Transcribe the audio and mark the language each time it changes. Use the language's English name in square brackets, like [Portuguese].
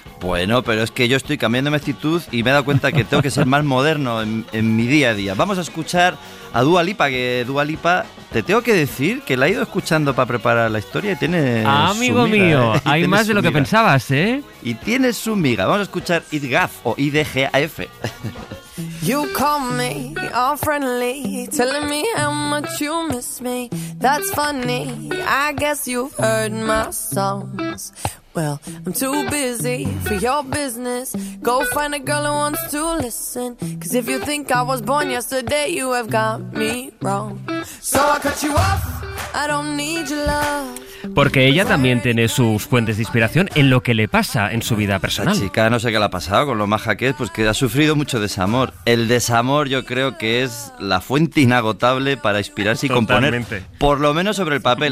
[Spanish] Bueno, pero es que yo estoy cambiando mi actitud y me he dado cuenta que tengo que ser más moderno en mi día a día. Vamos a escuchar a Dua Lipa, que Dua Lipa, te tengo que decir que la he ido escuchando para preparar la historia y tiene amigo su mío, miga, hay más de lo que pensabas, ¿eh? Y tiene su miga. Vamos a escuchar IDGAF o IDGAF. [English] You call me all friendly, telling me how much you miss me. That's funny, I guess you've heard my songs. Well, I'm too busy for your business. Go find a girl who wants to listen. Cause if you think I was born yesterday, you have got me wrong. So I cut you off. I don't need your love. [Spanish] Porque ella también tiene sus fuentes de inspiración en lo que le pasa en su vida personal. La chica, no sé qué le ha pasado con lo maja que es, pues que ha sufrido mucho desamor. El desamor yo creo que es la fuente inagotable para inspirarse y totalmente componer, por lo menos sobre el papel.